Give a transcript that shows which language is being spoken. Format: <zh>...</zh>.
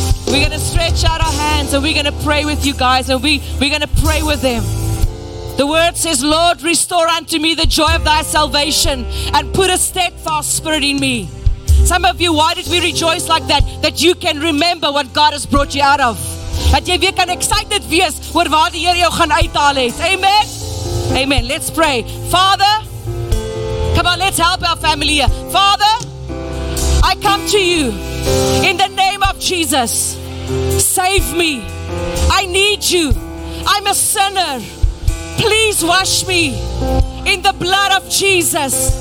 <en>We're going to stretch out our hands and we're going to pray with you guys and we're going to pray with them. The word says, Lord, restore unto me the joy of thy salvation and put a steadfast spirit in me. Some of you, why did we rejoice like that? That you can remember what God has brought you out of.</en> <af>That jy weer kan excited wees oor waar die Here jou gaan uithaal het.</af> <en>Amen. Amen. Let's pray. Father, come on, let's help our family here. Father, I come to you in the name of Jesus. Save me. I need you. I'm a sinner. Please wash me in the blood of Jesus.</en>